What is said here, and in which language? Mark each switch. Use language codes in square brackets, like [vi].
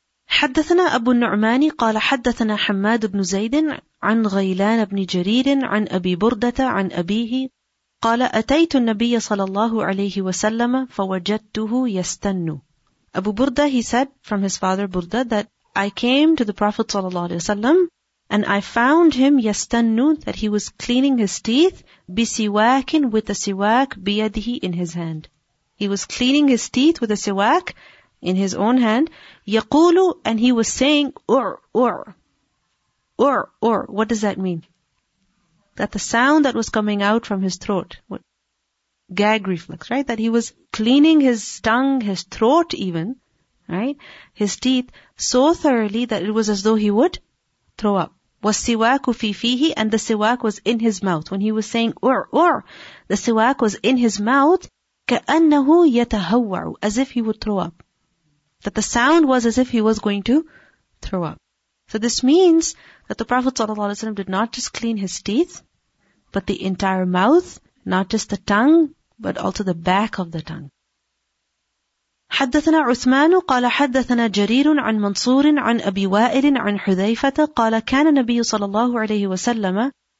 [ar] حدثنا أبو النعمان قال حدثنا حماد بن زيد عن غيلان بن جرير عن أبي بردة عن أبيه قال أتيت النبي صلى الله عليه وسلم فوجدته يستنى. [en] Abu Burda, he said from his father Burda that I came to the Prophet ﷺ and I found him yastannu, that he was cleaning his teeth, bisiwakin, with a siwak, biyadihi, in his hand. He was cleaning his teeth with a siwak in his own hand. Yaqulu, and he was saying ur. What does that mean? That the sound that was coming out from his throat. Gag reflex, right? That he was cleaning his tongue, his throat even, right? His teeth so thoroughly that it was as though he would throw up. Was siwaku fi fihi, and the siwak was in his mouth. When he was saying ur, the siwak was in his mouth, ka'annahu yatahawwa'u, as if he would throw up. That the sound was as if he was going to throw up. So this means that the Prophet ﷺ did not just clean his teeth, but the entire mouth, not just the tongue, but also the back of the tongue. [ar] حدثنا عثمان قال حدثنا جرير عن منصور عن أبي وائل عن حذيفة قال كان النبي صلى الله عليه وسلم